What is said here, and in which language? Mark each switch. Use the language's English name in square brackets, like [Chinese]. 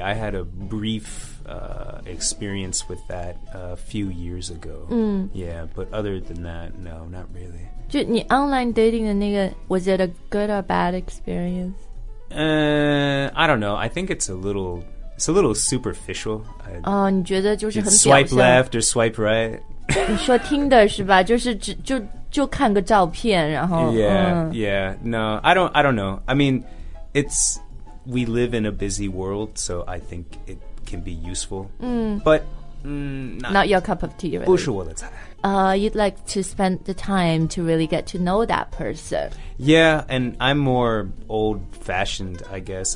[English] I had a brief experience with that a few years ago. Yeah, but other than that, no, not really. [Chinese] 就你 [English] online dating [Chinese] 的那个 [English] was it a good or bad experience? I don't know. I think it's a little superficial. [Chinese] 哦、你觉得就是很 [English] swipe left or swipe right? [Chinese] 你说听的是吧？就是只就就看个照片然后 [English] No, I don't know. I mean, it's, we live in a busy world, so I think it can be useful. But, not your cup of tea, really. [Chinese] 不是我的菜。 [English] You'd like to spend the time to really get to know that person. Yeah, and I'm more old-fashioned, I guess.